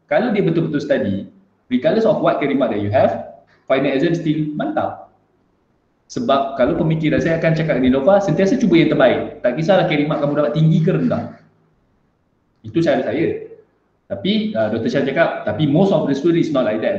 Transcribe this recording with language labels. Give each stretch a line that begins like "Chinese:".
Malay: Kalau dia betul-betul study,
English: regardless of what carry mark that you have, final exam still
Malay: mantap. Sebab kalau pemikiran saya akan cakap dengan Nova, sentiasa cuba yang terbaik. Tak kisahlah carry mark kamu dapat tinggi ke rendah. Itu cara saya. Tapi Dr. Shah cakap, tapi
English: most of the students not like that.